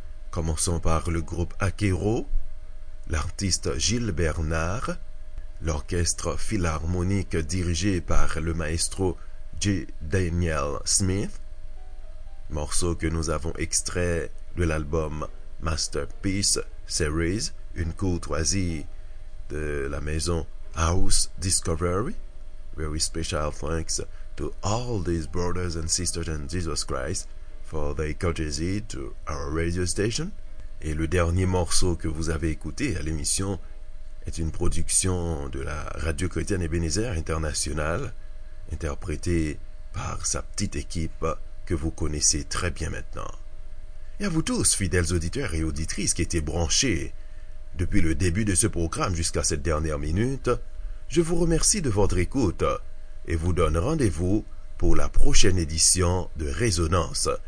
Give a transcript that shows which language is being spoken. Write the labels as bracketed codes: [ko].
[fr] Commençons par le groupe Akero, l'artiste Gilles Bernard, l'orchestre philharmonique dirigé par le maestro J. Daniel Smith, morceau que nous avons extrait de l'album Masterpiece Series, une courtoisie de la maison House Discovery. [en] Very special thanks to all these brothers and sisters in Jesus Christ for their courtesy to our radio station. [fr] Et le dernier morceau que vous avez écouté à l'émission est une production de la Radio Chrétienne Ebenezer Internationale, interprétée par sa petite équipe que vous connaissez très bien maintenant. Et à vous tous, fidèles auditeurs et auditrices qui étaient branchés depuis le début de ce programme jusqu'à cette dernière minute, je vous remercie de votre écoute et vous donne rendez-vous pour la prochaine édition de Résonance.